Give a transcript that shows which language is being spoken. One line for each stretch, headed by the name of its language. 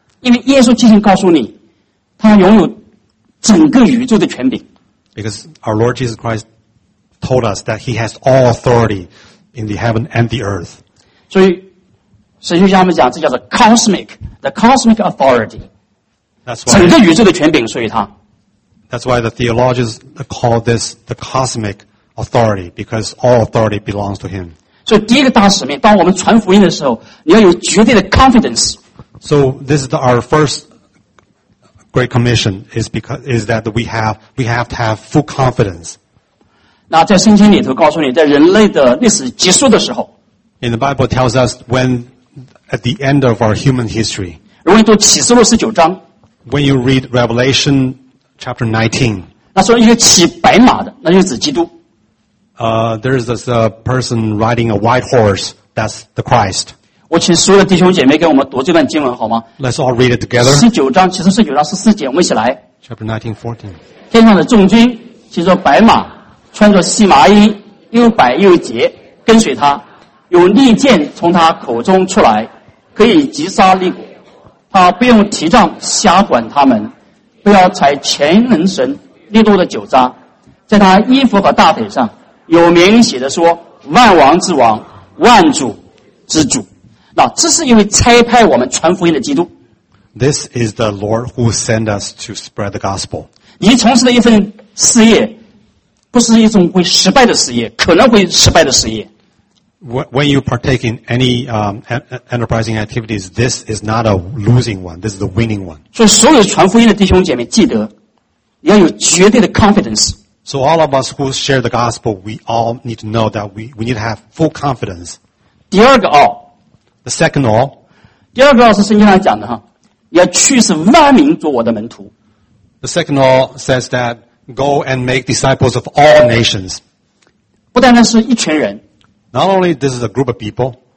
Chinese: 因为耶稣基督告诉你，他拥有整个宇宙的权柄。
English: Because our Lord Jesus Christ told us that He has all authority in the heaven and the earth.
Chinese: 所以，神学家们讲这叫做
English: cosmic authority. That's why
Chinese: 整个宇宙的权柄属于他。
English: That's why the theologians call this the cosmic. Authority, because all authority belongs to him. So, 第一个大使命，当我们传福音的时候，你要有绝对的 confidence. So, this is our first great commission. We have to have full confidence.
Chinese: 那在圣经里头告诉你，在人类的历史结束的时候
English: ，In the Bible tells us when at the end of our human history.
Chinese: 如果你读启示录十九章
English: ，When you read Revelation chapter 19,
Chinese: 那说一个骑白马的，那就是指基督。
English: There is this person riding a white horse. That's the Christ.
Chinese: 我请所有的弟兄姐妹给我们读这段经文好吗
English: ？Let's all read it together.
Chinese: 十九章，启示录十九章十四节，我们一起来。
English: Chapter 19:14.
Chinese: 天上的众军骑着白马，穿着细麻衣，又白又洁，跟随他，有利剑从他口中出来，可以击杀利国。他不用提杖辖管他们，不要踩全能神力度的酒渣，在他衣服和大腿上。有名写的说万王之王万主之主那这是因为差派我们传福音的基督
English: This is the Lord who sent us to spread the gospel
Chinese: 你从事的一份事业不是一种会失败的事业可能会失败的事业
English: When you partake in any enterprising activities this is not a losing one this is the winning one
Chinese: 所以所有传福音的弟兄姐妹记得你要有绝对的 confidence
English: So all of us who share the gospel, we all need to know that we need to have full confidence.
Chinese: 第二个哦。
English: The second all.
Chinese: 第二个哦是圣经上讲的哈，要去是万民做我的门徒。
English: The second all says that go and make disciples of all nations.
Chinese: 不单单是一群人。
English: Not only this is a group of people.